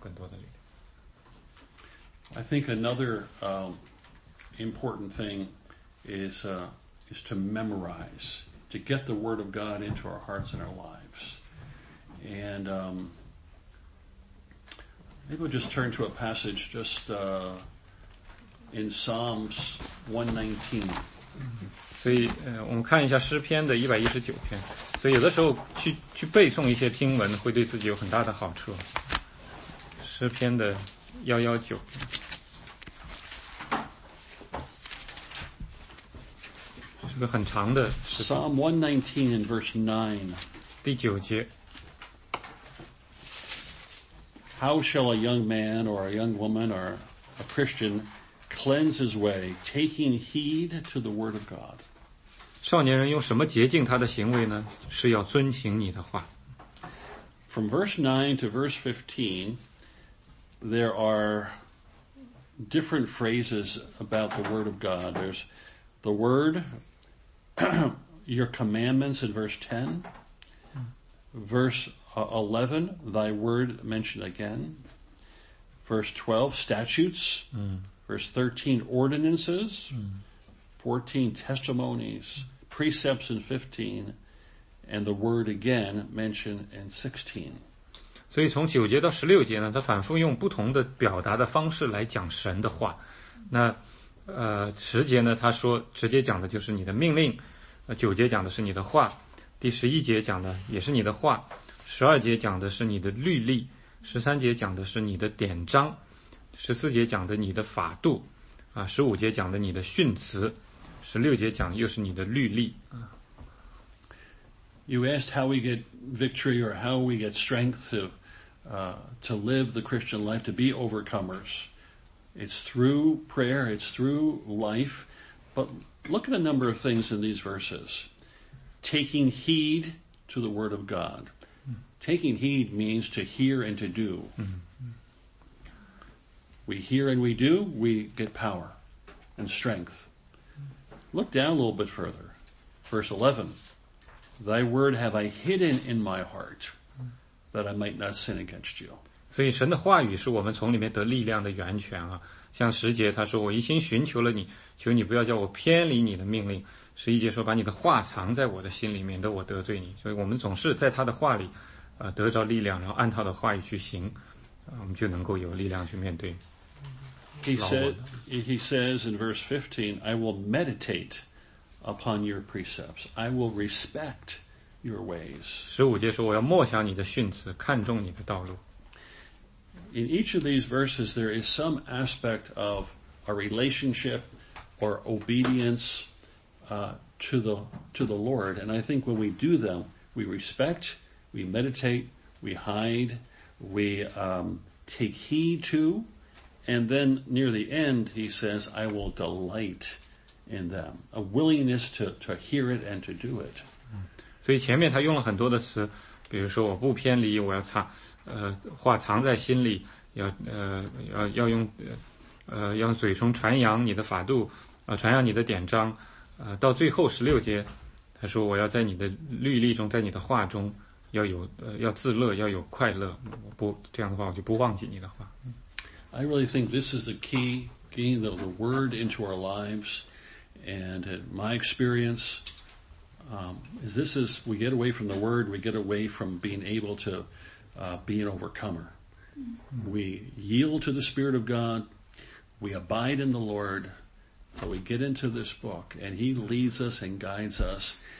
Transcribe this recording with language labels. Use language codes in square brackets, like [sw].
[zh] 那我们平常做什么事还是回到圣经里，就是常常读他的话，因为我们常常读他的话，他说，我们在他里面，他就在我们里面，所以更多的祷告就有更多的力量，更多的圣经的话就有更多的力量。 [en] I think another important thing is to memorize, to get the word of God into our hearts and our lives. And maybe we'll just turn to a passage in Psalms 119. [zh] 所以我们看一下诗篇的119篇。所以有的时候去背诵一些经文会对自己有很大的好处。诗篇的119篇。 [en] Psalm 119 in verse 9. [zh] 第九节。 [en] How shall a young man or a young woman or a Christian cleanse his way, taking heed to the word of God? [zh] 少年人用什么洁净他的行为呢? 是要遵行你的话。 [en] From verse 9 to verse 15, there are different phrases about the word of God. There's the word, your commandments in verse 10, verse 11, thy word mentioned again. Verse 12, statutes. Verse 13, ordinances. 14, testimonies. Precepts in 15. And the word again mentioned in 16. [zh] 所以从9节到16节呢, 他反复用不同的表达的方式来讲神的话。那10节呢, 他说直接讲的就是你的命令, 9节讲的是你的话, 第11节讲的也是你的话, 12节讲的是你的律例, 13节讲的是你的典章, 14节讲的你的法度, 15节讲的你的训词, 16节讲又是你的律例。 [en] You asked how we get victory or how we get strength to live the Christian life, to be overcomers. It's through prayer, it's through life. But look at a number of things in these verses. Taking heed to the word of God. Taking heed means to hear and to do. We hear and we do, we get power and strength. Look down a little bit further. Verse 11. Thy word have I hidden in my heart that I might not sin against you. [zh] 所以神的话语是我们从里面得力量的源泉啊。像十节他说我一心寻求了你，求你不要叫我偏离你的命令。十一节说把你的话藏在我的心里面，得我得罪你。所以我们总是在他的话里得着力量，然后按他的话语去行，我们就能够有力量去面对。 [en] He says in verse 15, I will meditate upon your precepts. I will respect your ways. [zh] 十五节说我要默想你的训词，看重你的道路。 [en] In each of these verses, there is some aspect of a relationship or obedience to the Lord. And I think when we do them, we respect, we meditate, we hide, we take heed to. And then near the end, he says, I will delight in them. A willingness to hear it and to do it. [zh] 所以前面他用了很多的词，比如说我不偏离，我要藏在心里，要用嘴中传扬你的法度，传扬你的典章，到最后十六节，他说我要在你的律例中，在你的话中，要自乐，要有快乐，这样的话我就不忘记你的话。 [en] I really think this is the key, getting the word into our lives, and my experience is this is we get away from the word, we get away from being able to be an overcomer. Mm-hmm. We yield to the Spirit of God, we abide in the Lord, but we get into this book, and He leads us and guides us.